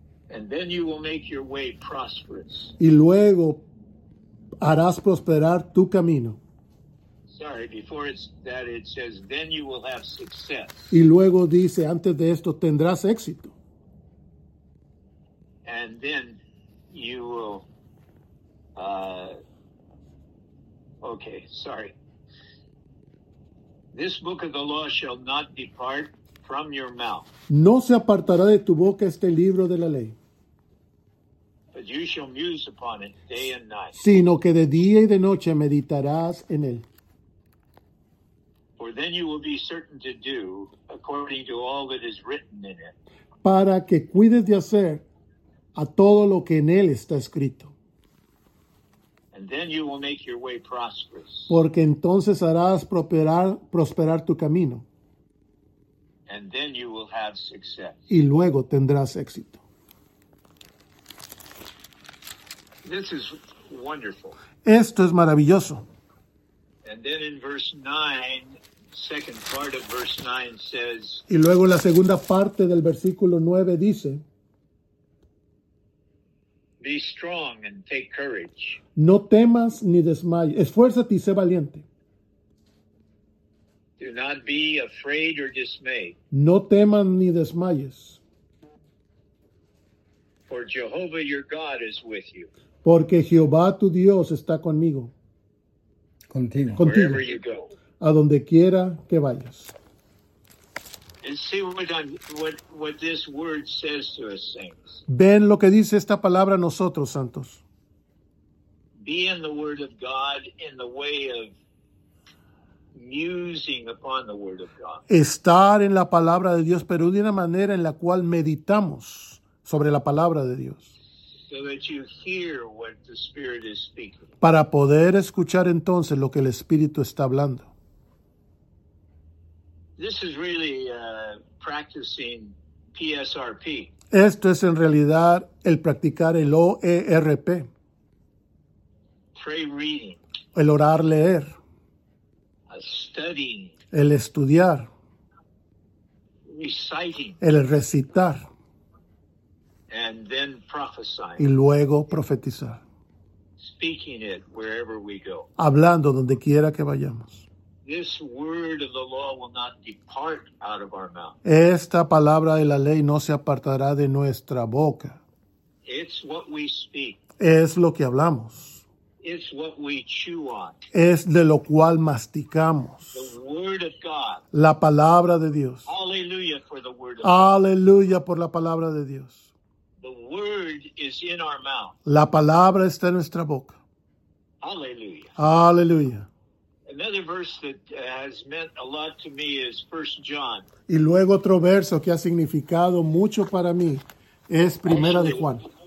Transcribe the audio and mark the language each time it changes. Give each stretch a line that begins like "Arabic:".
English: And then you will make your way prosperous.
Spanish: Y luego harás prosperar tu camino.
English: Sorry, before it's that it says, then you will have success.
Spanish: Y luego dice, antes de esto tendrás éxito.
English: And then you will okay, sorry. This book of the law shall not depart from your mouth.
Spanish: No se apartará de tu boca este libro de la ley.
English: But you shall muse upon it day and night.
Spanish: Sino que de día y de noche meditarás en él.
English: For then you will be certain to do according to all that is written in it.
Spanish: Para que cuides de hacer a todo lo que en él está escrito.
English: And then you will make your way prosperous.
Spanish: Porque entonces harás prosperar tu camino.
English: And then you will have success.
Spanish: Y luego tendrás éxito.
English: This is wonderful.
Spanish: Esto es maravilloso.
English: And then in verse 9, second part of verse 9 says,
Spanish: y luego la segunda parte del versículo 9 dice,
English: be strong and take courage.
Spanish: No temas ni desmayes. Esfuérzate y sé valiente.
English: Do not be afraid or dismayed.
Spanish: No temas ni desmayes.
English: For Jehovah your God is with you.
Spanish: Porque Jehová tu Dios está conmigo. Contigo.
English: Wherever you go.
Spanish: A donde quiera que vayas.
English: And see what this word says to us, saints.
Spanish: Ven lo que dice esta palabra a nosotros, santos.
English: Be in the word of God in the way of musing upon the word of God.
Spanish: Estar en la palabra de Dios, pero de una manera en la cual meditamos sobre la palabra de Dios.
English: So that you hear what the Spirit is speaking.
Spanish: Para poder escuchar entonces lo que el Espíritu está hablando.
English: This is really practicing PSRP.
Spanish: Esto es en realidad el practicar el OERP.
English: Pray reading.
Spanish: El orar leer.
English: A studying.
Spanish: El estudiar.
English: Reciting.
Spanish: El recitar.
English: And then prophesying.
Spanish: Y luego profetizar.
English: Speaking it wherever we go.
Spanish: Hablando donde quiera que vayamos.
English: This word of the law will not depart out of our mouth.
Spanish: Esta palabra de la ley no se apartará de nuestra boca.
English: It's what we speak.
Spanish: Es lo que hablamos.
English: It's what we chew on.
Spanish: Es de lo cual masticamos.
English: The word of God.
Spanish: La palabra de Dios.
English: Aleluya for the word of God.
Spanish: Aleluya por la palabra de Dios.
English: The word is in our mouth.
Spanish: La palabra está en nuestra boca. Aleluya. Aleluya.
English: Another verse that has meant a lot to me is 1 John.
Spanish: Y luego otro verso que ha significado mucho para mí es Primera de Juan.